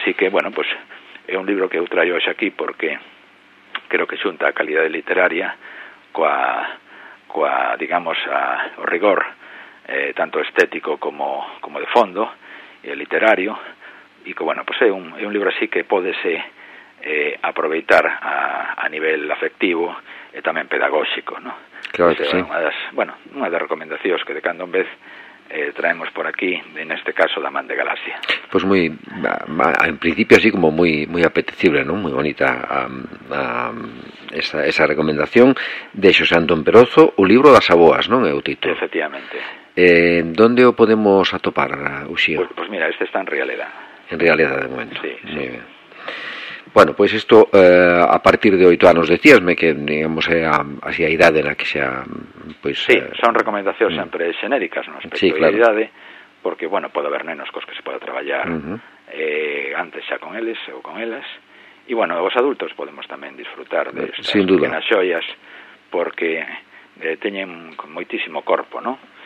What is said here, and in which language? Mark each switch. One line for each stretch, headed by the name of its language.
Galician: Así que, bueno, pois é un libro que eu traio hoxe aquí porque creo que xunta a calidade literaria coa, digamos, o rigor tanto estético como de fondo e literario e que, bueno, pues é un libro así que pódese aproveitar a nivel afectivo e tamén pedagóxico, ¿no? Claro que sí. Unha das recomendacións que de cando en vez traemos por aquí, en este caso, da Man de Galaxia.
Spanish: Pues muy, en principio así como muy muy apetecible, ¿no? Muy bonita esa recomendación de Xosé Antón Perozo, o libro das aboas, ¿no? O título.
Galician: Efectivamente. ¿Dónde o podemos atopar, Uxío?
Spanish: Pues mira, este está en Realidad. En Realidad, de momento. Sí, sí. Muy bien.
Galician: Bueno,
Spanish: pues esto a partir de 8 años,
Galician: decíasme que digamos así a idade na que xa pues sí, son recomendacións sempre xenéricas no aspecto sí, claro. De idade, porque bueno, pode haber nenos cos que se poda traballar antes xa con eles ou con elas, e bueno, os adultos podemos tamén disfrutar de estas sin duda. Pequenas xoias, porque teñen moitísimo corpo, ¿no?